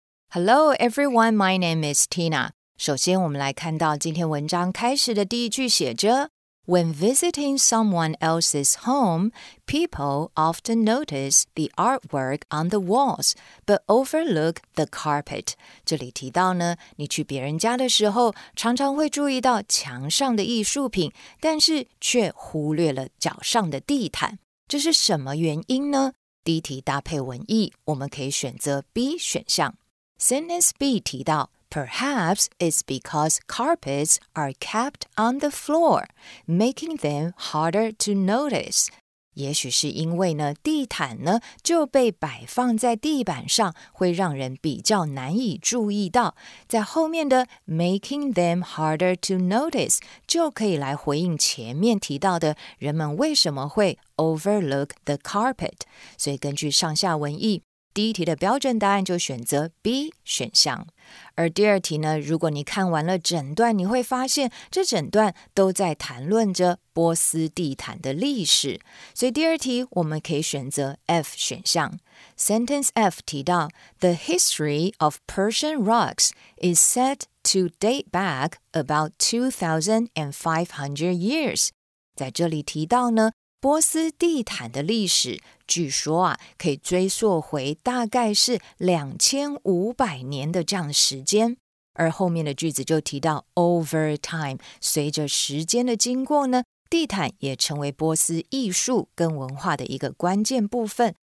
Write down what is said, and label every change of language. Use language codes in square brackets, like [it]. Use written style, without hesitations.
[en] Hello, everyone. My name is Tina. [zh] 首先我们来看到今天文章开始的第一句写着 [en] When visiting someone else's home, people often notice the artwork on the walls, but overlook the carpet. [zh] 这里提到呢，你去别人家的时候，常常会注意到墙上的艺术品，但是却忽略了脚上的地毯。这是什么原因呢？第一题搭配文意，我们可以选择 B 选项。 [en] Sentence B [zh] 提到 [en] ，Perhaps it's because carpets are kept on the floor, making them harder to notice. [zh] 也许是因为呢，地毯呢就被摆放在地板上，会让人比较难以注意到。在后面的 [en] making them harder to notice [zh] 就可以来回应前面提到的，人们为什么会 [en] Overlook the carpet. [zh] 所以根据上下文意，第一题的标准答案就选择 B 选项。而第二题呢，如果你看完了整段，你会发现这整段都在谈论着波斯地毯的历史。所以第二题我们可以选择 F 选项。 [en] Sentence F [zh] 提到 [en] The history of Persian rugs is said to date back about 2,500 years. [zh] 在这里提到呢，波斯地毯的历史据说啊，可以追溯回大概是2500年的这样时间。而后面的句子就提到 [en] over time， [zh] 随着时间的经过呢，地毯也成为波斯艺术跟文化的一个关键部分。